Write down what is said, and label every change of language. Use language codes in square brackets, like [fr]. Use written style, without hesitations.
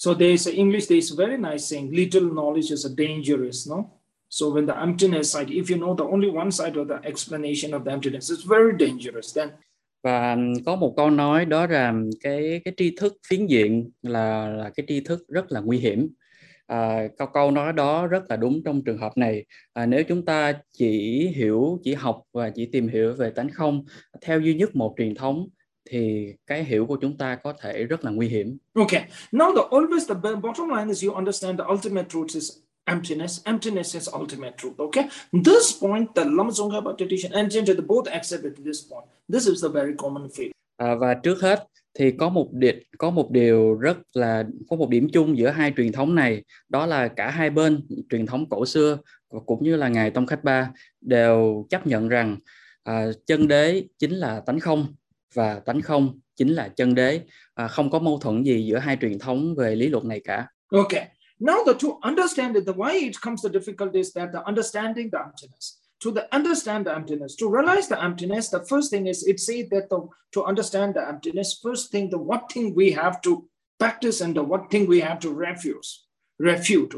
[en] So there is English, there is very nice saying, little knowledge is dangerous, no? So when the emptiness side, if you know the only one side of the explanation of the emptiness, it's very dangerous then. [vi] Và có một câu nói đó là cái tri thức phiến diện là cái tri thức rất là nguy hiểm. Câu nói đó rất là đúng trong trường hợp này. Nếu chúng ta chỉ tìm hiểu về tánh không theo duy nhất một truyền thống thì cái hiểu của chúng ta có thể rất là nguy hiểm. [en] Okay. Now always the bottom line is you understand the ultimate truth is emptiness. Emptiness is ultimate truth. Okay. This point the Lama Tsongkhapa tradition and gender both accept at this point. This is the very common faith. [vi] Và trước hết thì có một điểm chung giữa hai truyền thống này, đó là cả hai bên truyền thống cổ xưa cũng như là ngài Tông Khách Ba đều chấp nhận rằng chân đế chính là tánh không và tánh không chính là chân đế, không có mâu thuẫn gì giữa hai truyền thống về lý luận này cả. [en] Okay, now the to understand it, the why it comes the difficulty is that the understanding the emptiness. To the understand the emptiness, to realize the emptiness, the first thing is it says that to understand the emptiness, first thing the what thing we have to practice and the what thing we have to refute.